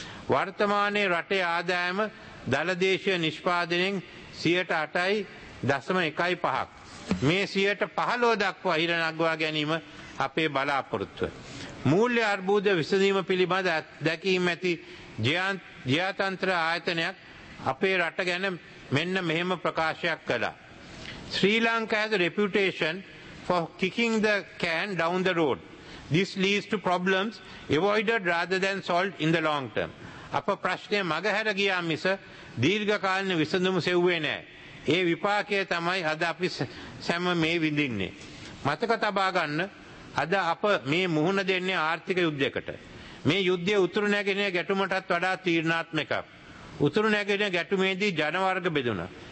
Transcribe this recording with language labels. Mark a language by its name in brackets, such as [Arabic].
[Sinhala] වර්තමානයේ රටේ ආදායම දළදේශීය නිෂ්පාදනයෙන් 8.15%. මේ 15% දක්වා ඉහළ නැංගවා ගැනීම අපේ බලාපොරොත්තුව. මූල්‍ය අර්බුද විසඳීම පිළිබඳ දැකීම ඇති ජ්‍යාතන්ත්‍ර ආයතනයක් අපේ රට ගැන මෙන්න මෙහෙම ප්‍රකාශයක් කළා. [English] Sri Lanka has a reputation for kicking the can down the road. This leads to problems avoided rather than solved in the long term. [Sinhala] අප ප්‍රශ්නය මගහැර ගියා මිස දීර්ඝකාලීන විසඳුම සෙව්වේ නැහැ. ඒ විපාකය තමයි අද අපි සැම මේ විඳින්නේ. මතක තබා ගන්න, අද අප මේ මුහුණ දෙන්නේ ආර්ථික යුද්ධයකට. මේ යුද්ධයේ උතුරු නැගෙනහිර ගැටුමටත් වඩා තීරණාත්මකක්. උතුරු නැගෙනහිර ගැටුමේදී ජන වර්ග බෙදුණා.